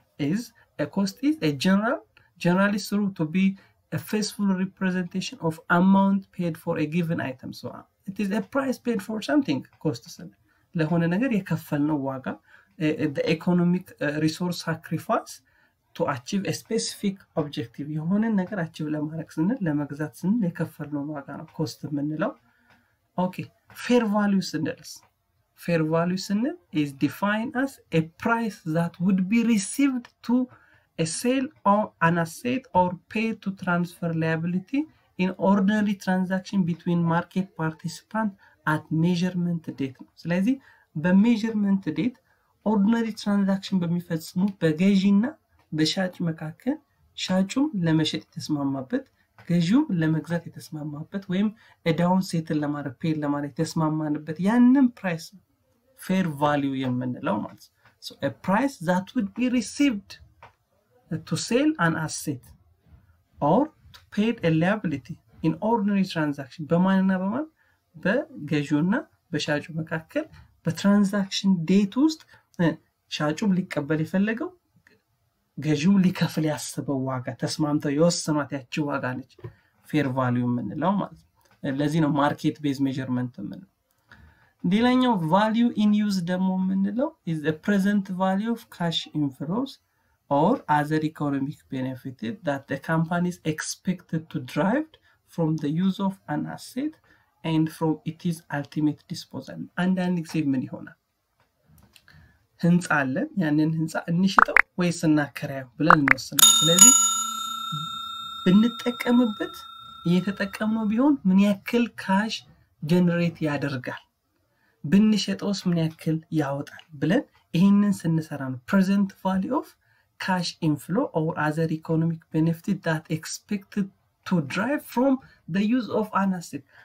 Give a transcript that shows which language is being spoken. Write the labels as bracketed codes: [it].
[en] Is a cost is a generally true to be a faithful representation of amount paid for a given item. So it is a price paid for something. Cost [am] ስለ ለሆነ ነገር የከፈልነው ዋጋ, [en] the economic resource sacrifice to achieve a specific objective. [am] የሆነ ነገር አቺቭ ለማድረግ ስንል ለመግዛት ስንል የከፈልነው ዋጋ ነው cost የምንለው. [en] Okay, fair value ስንልስ? Fair value ስንል is defined as a price that would be received to a sale or an asset or paid to transfer liability in ordinary transaction between market participant at measurement date. [am] ስለዚህ በmeasurement date ordinary transaction በሚፈጽሙ በገዢና በሻጭ መካከል ሻጩም ለመሸጥ የተስማማበት ገዢውም ለመግዛት የተስማማበት ወይም a down settle ለማድረግ pay ለማድረግ የተስማማንበት ያንን price fair value የምንለው ማለት ነው. [en] So a price that would be received to sell an asset or to pay a liability in ordinary transaction [am] በማንና በማን በገዢውና በሻጩ መካከል በትራንዛክሽን ዴት ውስጥ ሻጩም ሊቀበል ይፈልገው ገዢው ሊከፍል ያስበው ዋጋ ተስማምተው የወሰኑት ያቺ ዋጋ ነች fair value የምንለው ማለት ነው. ለዚህ ነው market based measurement የምንለው. [en] ሌላኛው value in use ደግሞ የምንለው is the present value of cash inflows or other economic benefit that the company is expected to derive from the use of an asset and from its ultimate disposal. [am] And then ይሄ ምን ይሆናል? ህንጻ አለ ያንን ህንጻ እንሽጠው ወይስ እናከራየው ብለን እንወስናለን. ስለዚህ እንጠቀምበት እየተጠቀምነው ቢሆን ምን ያክል ካሽ ጀነሬት ያደርጋል? ብንሽጠውስ ምን ያክል ያወጣል? ብለን ይሄንን سنሰራን [en] present value of cash inflow or other economic benefit that expected to derive from the use of an asset.